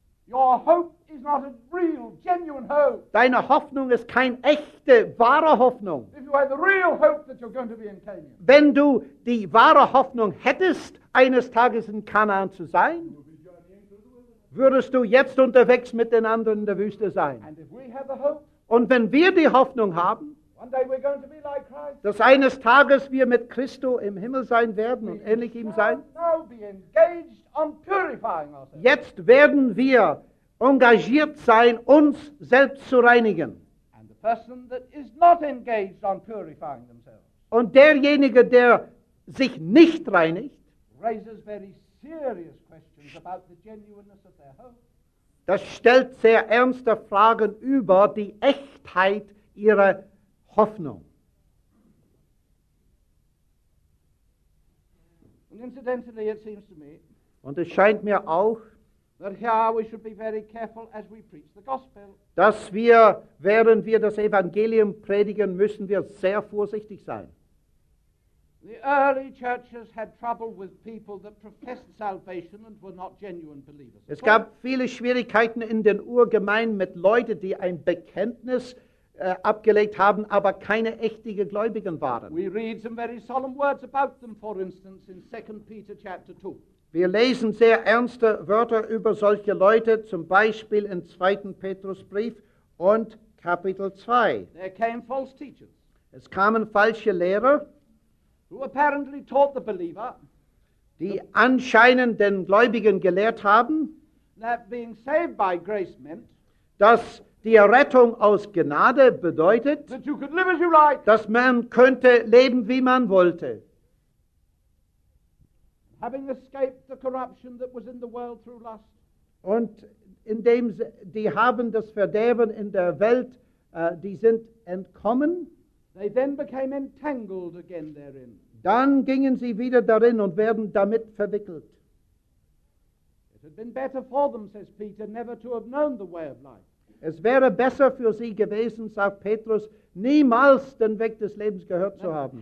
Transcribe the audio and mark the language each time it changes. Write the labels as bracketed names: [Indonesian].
[English] Your hope is not a real, genuine hope. [German] Deine Hoffnung ist keine echte, wahre Hoffnung. [English] If you had the real hope that you're going to be in Canaan. [German] Wenn du die wahre Hoffnung hättest, eines Tages in Canaan zu sein, würdest du jetzt unterwegs mit den anderen in der Wüste sein? [English] And if we have the hope, [German] und wenn wir die Hoffnung haben, [English] one day we're going to be like Christ, [German] dass eines Tages wir mit Christo im Himmel sein werden und ähnlich ihm sein, [English] now be engaged on purifying ourselves. [German] Jetzt werden wir engagiert sein, uns selbst zu reinigen. [English] And the person that is not engaged on purifying themselves, [German] und derjenige, der sich nicht reinigt, [English] raises very serious about the genuineness of their hope. [German] Das stellt sehr ernste Fragen über die Echtheit ihrer Hoffnung. [English] And incidentally, it seems to me, [German] und es scheint mir auch, [English] that here we should be very careful as we preach the gospel, [German] dass wir, während wir das Evangelium predigen, müssen wir sehr vorsichtig sein. [English] The early churches had trouble with people that professed salvation and were not genuine believers. [German] Es gab viele Schwierigkeiten in den Urgemeinden mit Leuten, die ein Bekenntnis abgelegt haben, aber keine echten Gläubigen waren. [English] We read some very solemn words about them, for instance, in 2 Peter chapter 2. [German] Wir lesen sehr ernste Wörter über solche Leute, zum Beispiel in 2. Petrusbrief und Kapitel 2. [English] There came false teachers. [German] Es kamen falsche Lehrer, [English] who apparently taught the believer, [German] die anscheinend den Gläubigen gelehrt haben, [English] that being saved by grace meant, [German] dass die Errettung aus Gnade bedeutet, [English] that you could live as you like, [German] dass man könnte leben, wie man wollte. [English] Having escaped the corruption that was in the world through lust, [German] Und indem sie, die haben das Verderben in der Welt, die sind entkommen. [English] They then became entangled again therein. [German] Dann gingen sie wieder darin und werden damit verwickelt. [English] It had been better for them, says Peter, never to have known the way of life. [German] Es wäre besser für sie gewesen, sagt Petrus, niemals den Weg des Lebens gehört zu haben.